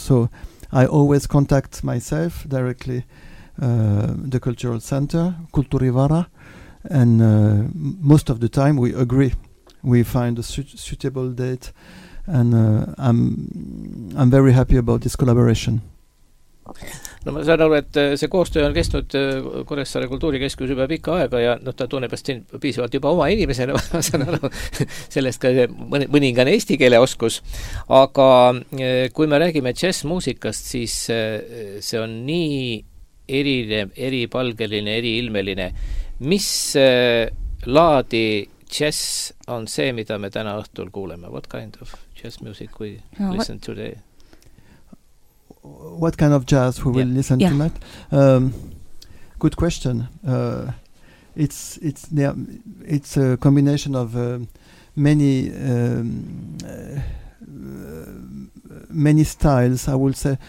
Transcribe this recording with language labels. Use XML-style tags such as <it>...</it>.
<en>So I always contact myself directly the cultural center, Kulturivara, and most of the time we agree, we find a suitable date, and I'm very happy about this collaboration.</en> <et>No ma saan aru, et see koostöö on kestnud Kuressaare Kultuurikeskus juba pikka aega ja no, ta tunneb siin piisavalt juba oma inimesele, ma saan aru, sellest ka mõningane eesti keele oskus, aga kui me räägime jazzmuusikast, siis see on nii eripalgeline, eriilmeline. Mis laadi jazz on see, mida me täna õhtul kuuleme?</et> <en>What kind of jazz music we listen today? What kind of jazz we will listen to that? Good question. It's a combination of many styles, I would say.</en>